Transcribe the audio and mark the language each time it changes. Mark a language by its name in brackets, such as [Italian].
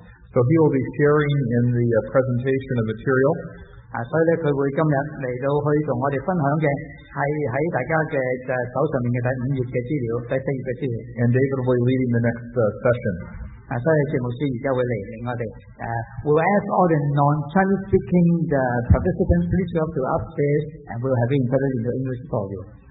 [English] So he will be sharing in the presentation of material. [Chinese] 所以他会今天来到去跟我们分享的是在大家的手上的第五页的资料，第四页的资料。 [English] And David will be leading the next session. [Chinese] 所以节目师现在会来领我们。 [English] We'll ask all the non-Chinese speaking participants please go up to upstairs and we'll have interpreted into English for you.